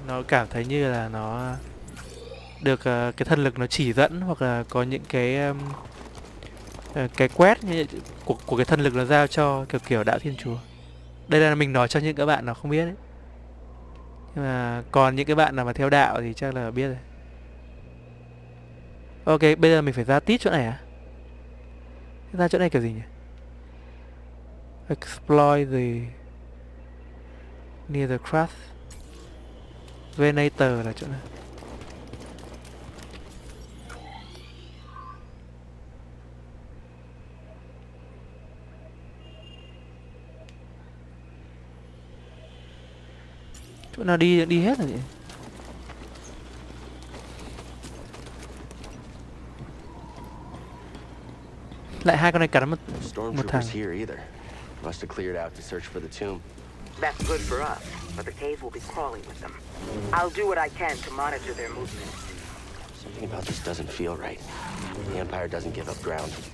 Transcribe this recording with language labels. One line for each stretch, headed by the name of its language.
Vietnamese: Nó cảm thấy như là nó được cái thân lực nó chỉ dẫn hoặc là có những cái quét như của cái thân lực nó giao cho kiểu đạo Thiên Chúa. Đây là mình nói cho những các bạn nào không biết ấy. Nhưng mà còn những cái bạn nào mà theo đạo thì chắc là biết rồi. Ok, bây giờ mình phải ra tít chỗ này à? Ra chỗ này kiểu gì nhỉ?
English: Explore the near the craft.
Vietnamese: Venator là chỗ này. Chỗ nào đi hết rồi nhỉ? Lại hai con này cắn một thằng.
English: Must have cleared out to search for the tomb. That's good for us, but the cave will be crawling with them. I'll do what I can to monitor their movements. Something about this doesn't feel right. The Empire doesn't give up ground.